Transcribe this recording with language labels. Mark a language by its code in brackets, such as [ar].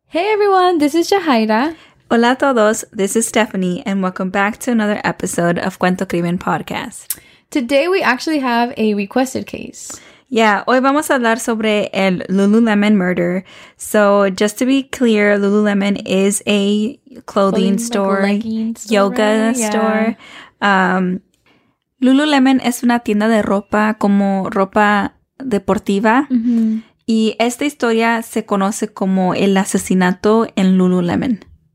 [en] Hey everyone, this is Jahaira. [es] Hola a todos, [en] this is Stephanie, and welcome back to another episode of Cuento Crimen Podcast. Today we actually have a requested case. [es] Yeah, hoy vamos a hablar sobre el Lululemon murder. [en] So just to be clear, Lululemon is a clothing store, like a legging store, yoga store. [es] Lululemon es una tienda de ropa como ropa deportiva. Mm-hmm. Y esta historia se conoce como el asesinato en Lululemon.